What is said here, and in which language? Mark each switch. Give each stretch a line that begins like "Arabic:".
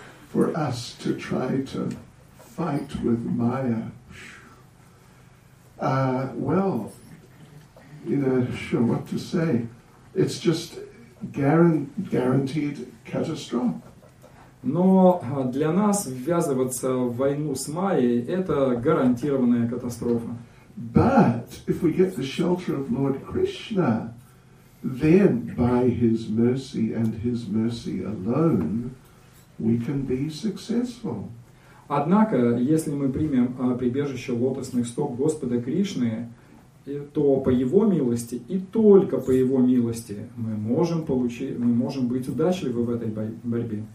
English: For us to try to fight with Maya, what to say? It's just guaranteed catastrophe.
Russian: Но для нас ввязываться в войну с Майей — это гарантированная катастрофа.
English: But if we get the shelter of Lord Krishna, then by His mercy and His mercy alone. We can be successful.
Russian: Однако, если мы примем прибежище лотосных стоп Господа Кришны, то по Его милости и только по Его милости мы можем быть удачливы в этой борьбе.